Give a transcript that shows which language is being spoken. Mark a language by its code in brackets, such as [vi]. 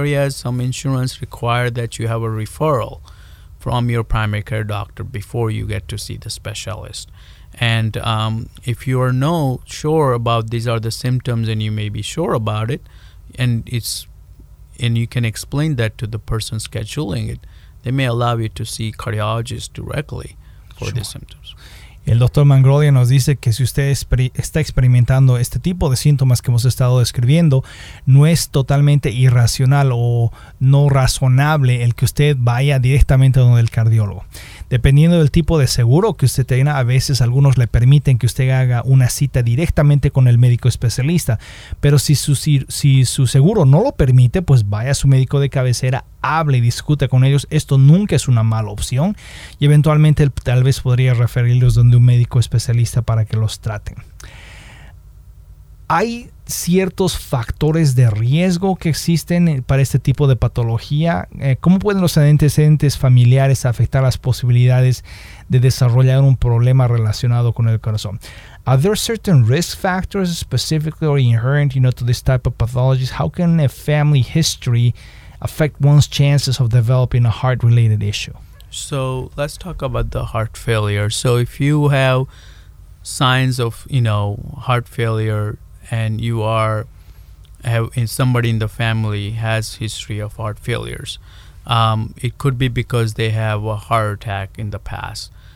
[en] Some insurance require that you have a referral from your primary care doctor before you get to see the specialist. And if you are not sure about these are the symptoms and you may be sure about it, and you can explain that to the person scheduling it, they may allow you to see cardiologist directly for the symptoms. [es] El doctor Mangrolia nos dice que si usted está experimentando este tipo de síntomas que hemos estado describiendo, no es totalmente irracional o no razonable el que usted vaya directamente donde el cardiólogo. Dependiendo del tipo de seguro que usted tenga, a veces algunos le permiten que usted haga una cita directamente con el médico especialista. Pero si su seguro no lo permite, pues vaya a su médico de cabecera, hable y discuta con ellos. Esto nunca es una mala opción. Y eventualmente tal vez podría referirlos donde un médico especialista para que los traten. ¿Hay ciertos factores de riesgo que existen para este tipo de patología? ¿Cómo pueden los antecedentes familiares afectar las posibilidades de desarrollar un problema relacionado con el corazón? [en] Are there certain risk factors specifically or inherent, you know, to this type of pathologies? How can a family history affect one's chances of developing a heart-related issue? So let's talk about the heart failure. So if you have signs of, you know, heart failure, and you are somebody in the family has history of heart failures, it could be because they have a heart attack in the past.